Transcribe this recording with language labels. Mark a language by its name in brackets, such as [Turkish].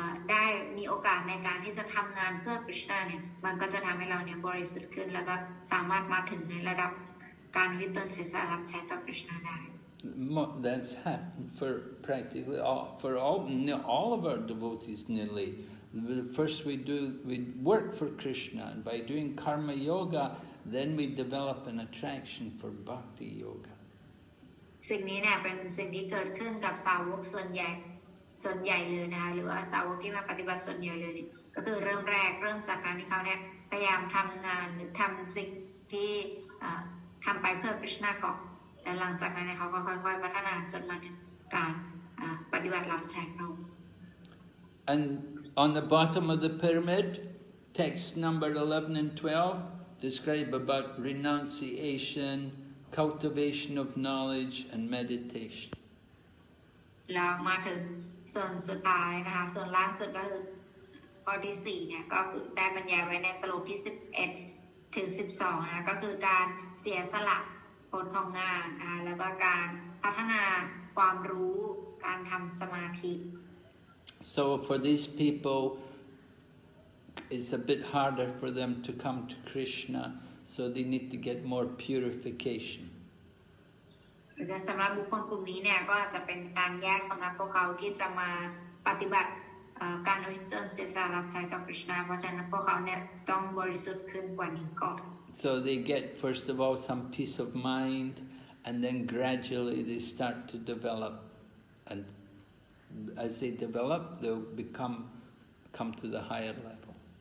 [Thai] ได้มีโอกาสในการที่จะทำงานเพื่อคริสต์นาเนี่ยมันก็จะทำให้เราเนี่ยบริสุทธิ์ขึ้นแล้วก็สามารถมาถึงในระดับการวิตนเสียสละรับใช้ต่อคริสต์นาได้ [English] That's happened for practically all for all all of our devotees nearly first we work for Krishna and by doing karma yoga then we develop an attraction for bhakti yoga [Thai] สิ่งนี้เนี่ยเป็นสิ่งที่เกิดขึ้นกับสาวกส่วนใหญ่เลยนะคะหรือว่าสาวกที่มาปฏิบัติส่วนใหญ่เลยก็คือเริ่มจากการที่เขาเนี่ยพยายามทำงานหรือทำสิ่งที่ทำไปเพื่อคริสต์นาก่อนและหลังจากนั้นเขาก็ค่อยๆพัฒนาจนมาถึงการ ปฏิบัติหลังแฉกนม [English] And on the bottom of the pyramid, text number 11 and 12 describe about renunciation, cultivation of knowledge, and meditation. [Thai] แล้วมาถึงส่วนสุดท้ายนะคะส่วนล่างสุดก็คือข้อที่4เนี่ยก็คือได้บรรยายไว้ในสโลกที่11ถึง12นะก็คือการเสียสละผลของงานนะแล้วก็การพัฒนาความรู้การทำสมาธิ [English] So for these people, it's a bit harder for them to come to Krishna, so they need to get more purification. [Thai] สำหรับบุคคลกลุ่มนี้เนี่ยก็อาจจะเป็นการยากสำหรับพวกเขาที่จะมาปฏิบัติการอุทิศเสียสละรับใช้ต่อ Krishna เพราะฉะนั้นพวกเขาเนี่ยต้องบริสุทธิ์ขึ้นกว่านี้ก่อน [English] So they get first of all some peace of mind, and then gradually they start to develop andAs they develop, they'll come to the higher level.